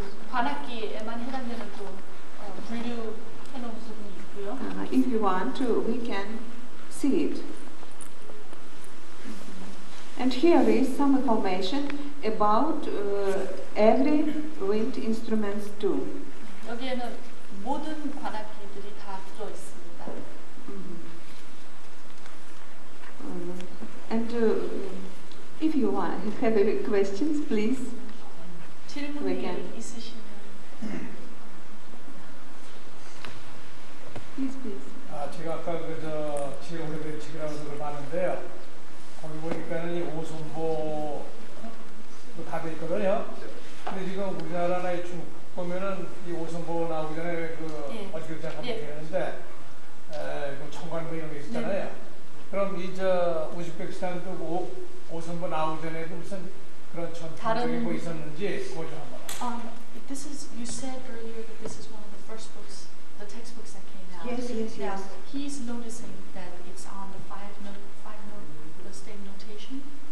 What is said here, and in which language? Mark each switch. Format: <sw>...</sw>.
<ko>관악기에만 해당되는 또 분류 해놓은 부분이 있고요.</ko> <en>If you want to, we can see it. And here is some information about every wind instruments too.</en> <ko>여기에는 모든 관악기들이 다 들어 있습니다.</ko> <en>And if you want, if you have any questions, please.</en> <ko>질문이 있으시면.</ko> <en>Please, please.</en> <ko>아, 제가 아까 그 저 지금 지금이라고 그걸 봤는데요. 거기 보니까는 이 오손보 뭐 다 돼 있거든요. 근데 지금 우리나라나 이 중국 보면은 이 오손보 나오기 전에 그 어떻게 생각하면 되는데, 뭐 청관 뭐 이런 게 있잖아요. 그럼 이 저 우즈베키스탄도 오 오선보 나오기 전에도 무슨 그런 전통적인 거 있었는지 그걸 좀 한번. 아,</ko> <en>This is, you said earlier that this is one of the first books, the textbooks that came out. Yes, yes, now, yes. He's noticing that it's on the five note, the same notation.</en>